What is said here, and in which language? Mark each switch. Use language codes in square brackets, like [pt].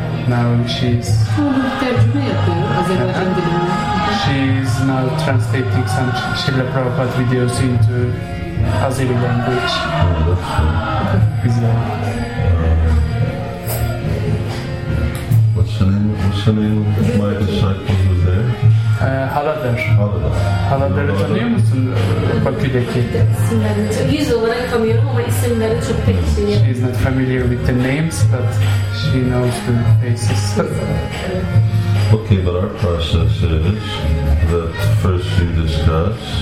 [en] Now she's. She is now translating some Srila Prabhupada videos into Azeri language. What's the name of my disciple who was there? Haladar. Haladar. [tr] Haladar'ı tanıyor musun Bakü'deki? Yüz olarak tanıyorum ama isimleri çok pek tanıyorum. [en] She is not familiar with the names, but she knows the faces. Okay, but our process is that first you discuss.